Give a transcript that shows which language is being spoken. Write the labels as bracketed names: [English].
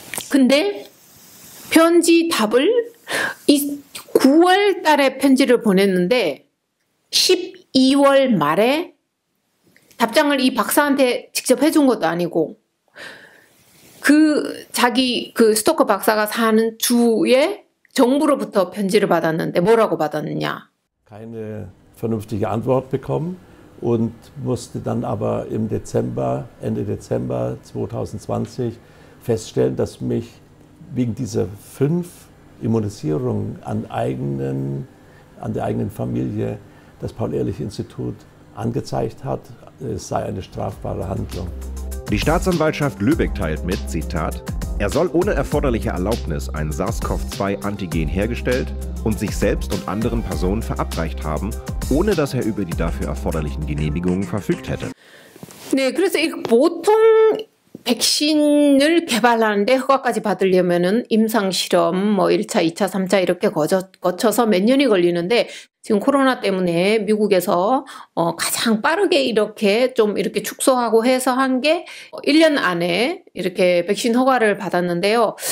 [Korean] 근데 편지 답을 이 9월 달에 편지를 보냈는데 12월 말에 답장을 이 박사한테 직접 해준 것도 아니고 그 자기 그 스토커 박사가 사는 주에 정부로부터 편지를 받았는데 뭐라고 받았느냐? [German] Keine vernünftige Antwort bekommen und musste dann aber im Dezember, Ende Dezember 2020 feststellen, dass mich wegen dieser 5 Immunisierungen an der eigenen Familie das Paul-Ehrlich-Institut angezeigt hat, es sei eine strafbare Handlung. Die Staatsanwaltschaft Lübeck teilt mit, Zitat, er soll ohne erforderliche Erlaubnis ein SARS-CoV-2-Antigen hergestellt und sich selbst und anderen Personen verabreicht haben, ohne dass er über die dafür erforderlichen Genehmigungen verfügt hätte. [Korean] 네, 그래서 이 보통 백신을 개발하는데 허가까지 받으려면은 임상실험 뭐 1차, 2차, 3차 이렇게 거쳐서 몇 년이 걸리는데 지금 코로나 때문에 미국에서 가장 빠르게 이렇게 좀 이렇게 축소하고 해서 한게 1년 안에 이렇게 백신 허가를 받았는데요.